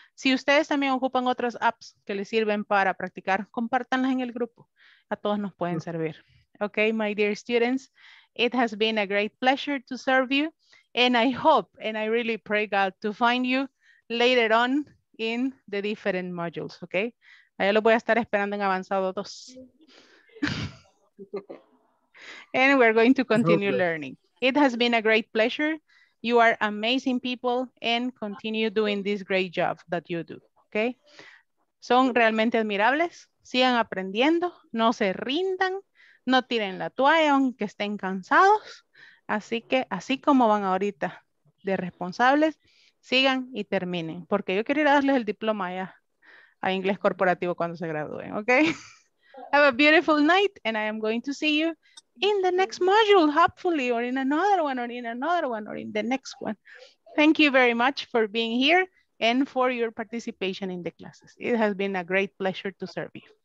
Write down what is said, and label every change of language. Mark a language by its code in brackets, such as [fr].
[es] Si ustedes también ocupan otras apps que les sirven para practicar, compártanlas en el grupo. A todos nos pueden servir. [en] Okay, my dear students, it has been a great pleasure to serve you. And I hope, and I really pray God to find you later on in the different modules, okay? [es] Allá lo voy a estar esperando en avanzado 2. [en] And we're going to continue learning. It has been a great pleasure. You are amazing people and continue doing this great job that you do, okay? [es] Son realmente admirables. Sigan aprendiendo, no se rindan, no tiren la toalla aunque estén cansados. Así que así como van ahorita de responsables, sigan y terminen, porque yo quiero ir a darles el diploma ya a Inglés Corporativo cuando se gradúen, okay? [en] Have a beautiful night and I am going to see you in the next module, hopefully, or in another one, or in another one, or in the next one. Thank you very much for being here and for your participation in the classes. It has been a great pleasure to serve you.